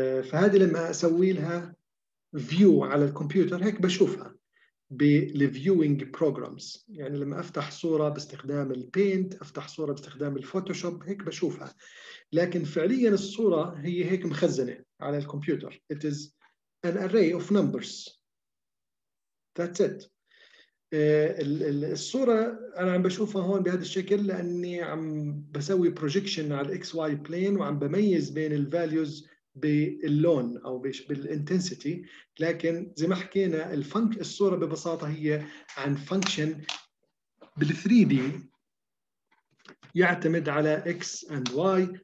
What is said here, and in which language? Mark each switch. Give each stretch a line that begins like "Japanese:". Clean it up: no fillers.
Arabic: فهذه لما أسوي لها view على الكمبيوتر هيك بشوفها بال viewing programs, يعني لما أفتح صورة باستخدام البينت, أفتح صورة باستخدام الفوتوشوب هيك بشوفها, لكن فعليا الصورة هي هيك مخزنة على الكمبيوتر.
English: It is an array of numbers, that's it.
Arabic: الصورة أنا عم بشوفها هون بهذا الشكل لأني عم بسوي projection على XY plane وعم بميز بين values باللون أو بالintensity, لكن زي ما حكينا الصورة ببساطة هي عن function بال3D يعتمد على X and Y.